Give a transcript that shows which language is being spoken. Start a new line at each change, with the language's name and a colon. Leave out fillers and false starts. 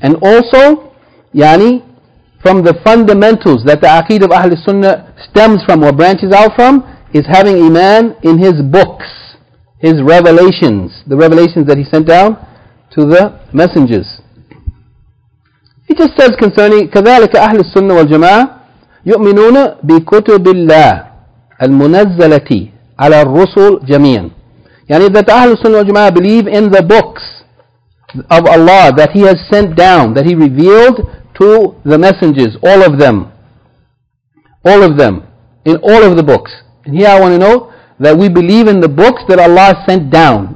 English: And also, yani, from the fundamentals that the aqid of Ahl Sunnah stems from or branches out from, is having iman in his books. His revelations, the revelations that he sent down to the messengers. He just says concerning
Arabic: كَذَلِكَ أَهْلِ السُّنَّةِ وَالْجَمَاعَةِ يُؤْمِنُونَ بِكُتُبِ اللَّهِ الْمُنَزَّلَةِ عَلَى الرُّسُلِ جَمِيعًا.
English: Yani that Ahl al-Sunnah wal-Jama'ah believe in the books of Allah that He has sent down, that He revealed to the messengers, all of them. All of them. In all of the books. And here I want to note that we believe in the books that Allah sent down.